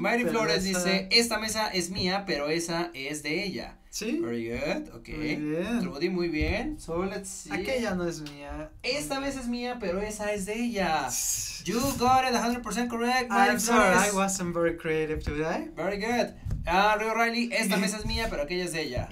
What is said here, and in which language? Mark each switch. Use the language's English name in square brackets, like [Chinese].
[Spanish] Mary Flores dice, esta mesa es mía, pero esa es de ella. Sí. [English] Very good. Okay. [Spanish] Muy bien. Muy bien. [English] So, let's see. [Spanish] Aquella no es mía. Esta mesa es mía, pero esa es de ella. [English] You got it 100% correct, Mary Flores. I'm sorry, I wasn't very creative today. Very good. [Spanish] Rio Riley, esta mesa es mía, pero aquella es de ella.